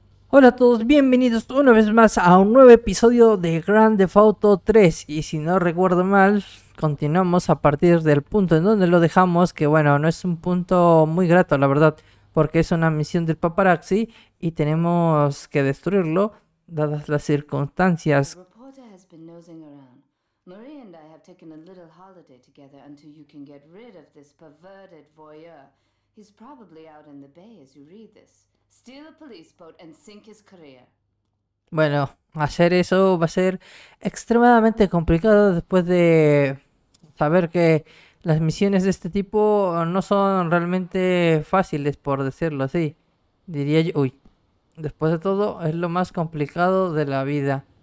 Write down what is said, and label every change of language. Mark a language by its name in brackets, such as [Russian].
[Spanish] Hola a todos, bienvenidos una vez más a un nuevo episodio de Grand Theft Auto 3. Y si no recuerdo mal, continuamos a partir del punto en donde lo dejamos, que bueno, no es un punto muy grato, la verdad, porque es una misión del paparazzi y tenemos que destruirlo, dadas las circunstancias. [English] Reporter has been nosing around. Marie and I have taken a little holiday together until you can get rid of this perverted voyeur. He's probably out in the bay as you read this. Steal a police boat and sink his career. [Spanish] Bueno, hacer eso va a ser extremadamente complicado después de saber que las misiones de este tipo no son realmente fáciles, por decirlo así. Diría yo, uy, después de todo, es lo más complicado de la vida.